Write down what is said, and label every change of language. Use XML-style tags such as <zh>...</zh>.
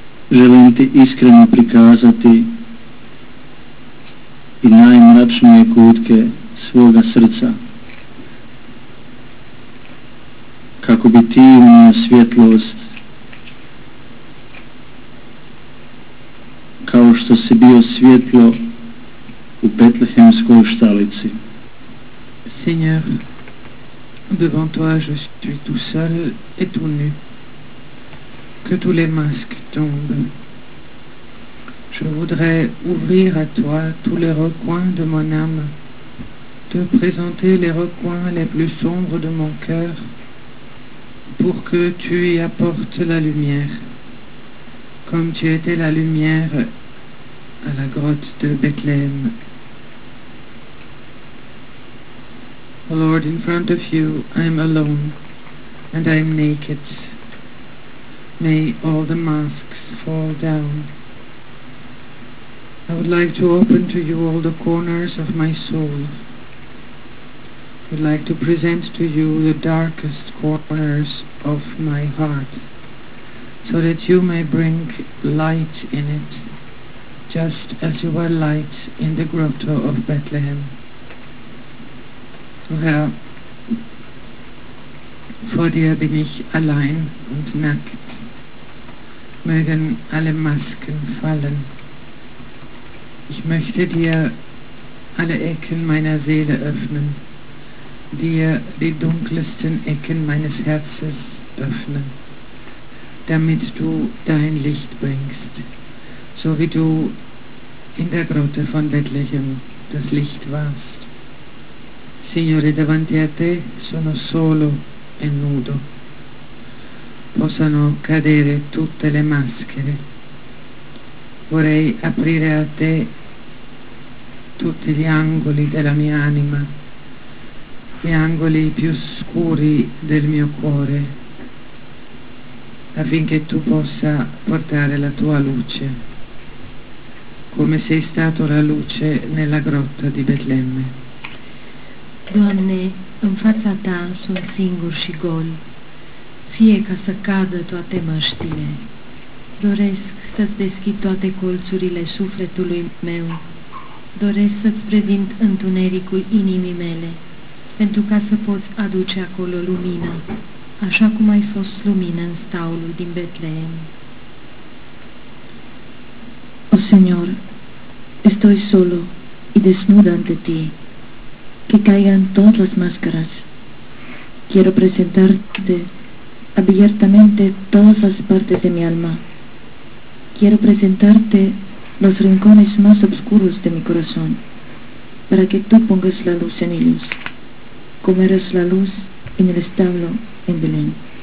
<hr>Želim ti iskreno prikazati i najmračnije kutke svoga srca, kako bi ti u moju svjetlost, kao što si bio svjetlo u Betlehemskoj štalici.</hr> <fr>Seigneur, devant toi je suis tout seul et tout nu. Que tous les masques tombent. Je voudrais ouvrir à toi tous les recoins de mon âme, te présenter les recoins les plus sombres de mon cœur, pour que tu y apportes la lumière, comme tu étais la lumière à la grotte de Bethléem.</fr> <en>O Lord, in front of you, I am alone, and I am naked. May all the masks fall down. I would like to open to you all the corners of my soul. I would like to present to you the darkest corners of my heart, so that you may bring light in it, just as you were light in the grotto of Bethlehem.</en> <de>Herr, vor dir bin ich allein und nackt. Mögen alle Masken fallen. Ich möchte dir alle Ecken meiner Seele öffnen, dir die dunkelsten Ecken meines Herzens öffnen, damit du dein Licht bringst, so wie du in der Grotte von Bethlehem das Licht warst.</de> <it>Signore, davanti a te sono solo e nudo. Possano cadere tutte le maschere. Vorrei aprire a te tutti gli angoli della mia anima, gli angoli più scuri del mio cuore, affinché tu possa portare la tua luce, come sei stato la luce nella grotta di Betlemme.</it> <ro>Doamne, în fața ta sunt singur și gol, fie ca să cadă toate măștile. Doresc să-ți deschid toate colțurile sufletului meu, doresc să-ți prezint întunericul inimii mele, pentru ca să poți aduce acolo lumină, așa cum ai fost lumină în staulul din Betlehem.</ro> <es>O Señor, estoy solo y desnudo ante ti. Que caigan todas las máscaras. Quiero presentarte abiertamente todas las partes de mi alma. Quiero presentarte los rincones más oscuros de mi corazón, para que tú pongas la luz en ellos, como eres la luz en el establo en Belén.</es>